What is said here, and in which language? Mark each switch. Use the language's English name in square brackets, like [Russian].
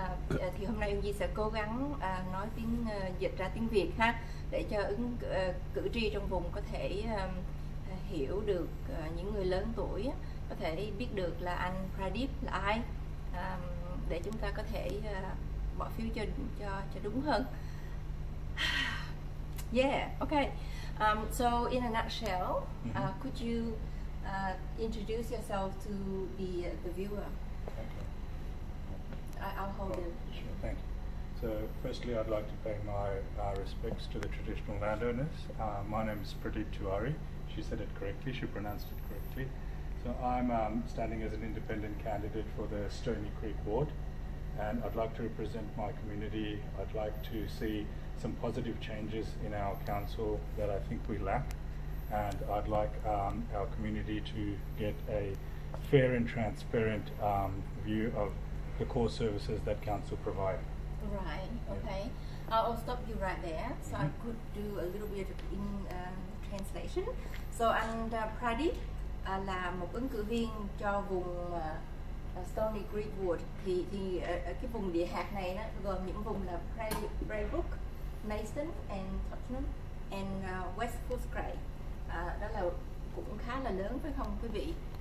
[Vietnamese] Thì hôm nay Uyên Nhi sẽ cố gắng nói tiếng dịch ra tiếng Việt ha, để cho ứng cử tri trong vùng có thể hiểu được những người lớn tuổi có thể biết được là anh Pradeep là ai, để chúng ta có thể bỏ phiếu cho đúng hơn. [English] Yeah, okay. So in a nutshell, could you introduce yourself to the viewer? Okay. I'll hold it. Sure, thank you. So firstly, I'd like to pay my respects to the traditional landowners. My name is Pradeep Tiwari. She said it correctly, she pronounced it correctly. So I'm standing as an independent candidate for the Stony Creek ward, and I'd like to represent my community. I'd like to see some positive changes in our council that I think we lack, and I'd like our community to get a fair and transparent view of the core services that council provide. Right, okay. Yeah. I'll stop you right there, so I could do a little bit in translation. [Vietnamese] So, and Pradeep là một ứng cử viên cho vùng Stony Creek Wood. Thì cái vùng địa hạt này đó gồm những vùng là Braybrook, Mason and Tottenham and West Footscray. Đó là cũng khá là lớn phải không quý vị?